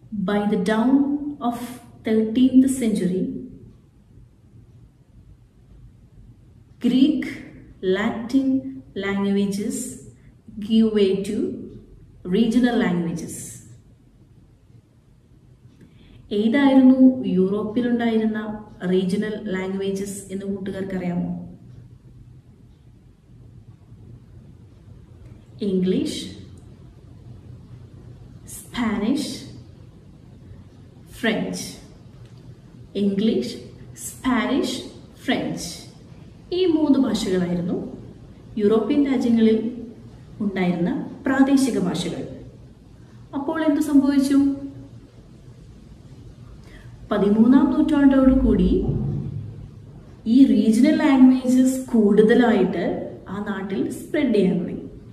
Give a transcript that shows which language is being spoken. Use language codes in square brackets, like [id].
[en] By the dawn of 13th century, Greek, Latin languages give way to regional languages. [ml] ഏതായിരുന്നു യൂറോപ്പിൽ ഉണ്ടായിരുന്ന regional languages എന്ന് കൂട്ടുകാർക്കറിയാമോ? [en] English, Spanish, French. English, Spanish, French. [ml] ഈ മൂന്ന് ഭാഷകളായിരുന്നു European രാജ്യങ്ങളിൽ ഉണ്ടായിരുന്ന പ്രാദേശിക ഭാഷകൾ. അപ്പോൾ എന്ത് സംഭവിച്ചു? 13-ാം നൂറ്റാണ്ടോടുകൂടി ഈ റീജിയണൽ ലാംഗ്വേജസ് കൂടുതലായിട്ട് ആ നാട്ടിൽ സ്പ്രെഡ് ചെയ്യാൻ തുടങ്ങി.